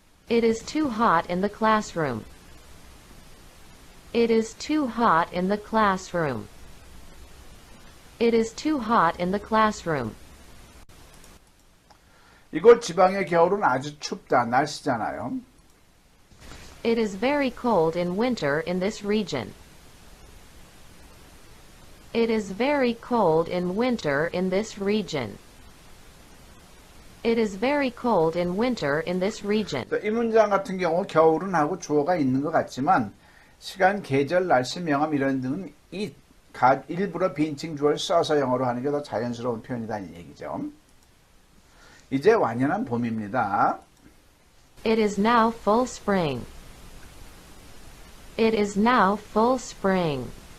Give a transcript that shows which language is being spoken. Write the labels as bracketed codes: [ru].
[en] It is too hot in the classroom. It is too hot in the classroom. It is too hot in the classroom. [ko] 이곳 지방의 겨울은 아주 춥다. 날씨잖아요. [en] It is very cold in winter in this region. It is very cold in winter in this region. It is very cold in winter in this region. [ko] 이 문장 같은 경우 겨울은 하고 주어가 있는 것 같지만 시간, 계절, 날씨, 명암 이런 등은 일부러 비인칭 주어를 써서 영어로 하는 게더 자연스러운 표현이라는 얘기죠. 이제 완연한 봄입니다. [en] It is now full spring. It is now full spring.